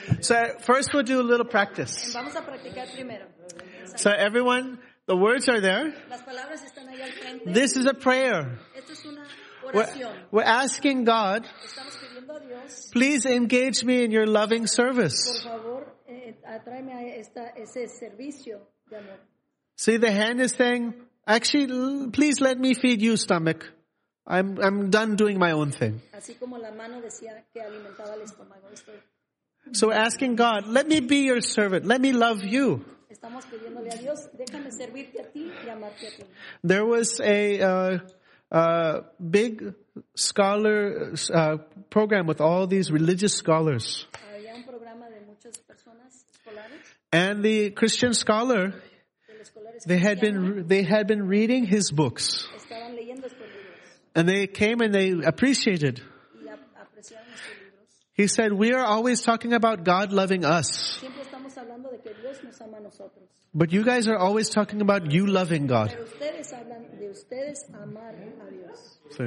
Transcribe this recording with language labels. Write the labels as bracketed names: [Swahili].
[English] So first we'll do a little practice. [Spanish] Vamos a practicar primero. [English] So everyone, the words are there. [Spanish] Las palabras están ahí al frente. [English] This is a prayer. [Spanish] Esto es una oración. [English] We're asking God, [Spanish] estamos pidiendo a Dios, [English] please engage me in your loving service. [Spanish] Por favor, atráeme a esta, ese servicio de amor. [English] See, the hand is saying, actually, please let me feed you, stomach. I'm done doing my own thing. [Spanish] Así como la mano decía que alimentaba el estómago, estoy... [English] So we're asking God, let me be your servant. Let me love you. [Spanish] Estamos pidiéndole a Dios, déjame servirte a ti y amarte a ti. [English] There was a big scholar program with all these religious scholars. [Spanish] Había un programa de muchas personas escolares. [English] And the Christian scholar, they had been reading his books. [Spanish] Estaban leyendo estos libros. [English] And they came and they appreciated. [Spanish] Y apreciaron estos libros. [English] He said, we are always talking about God loving us. [Spanish] Siempre estamos hablando de que Dios nos ama a nosotros. [English] But you guys are always talking about you loving God. [Spanish] Pero ustedes hablan de ustedes amar a Dios.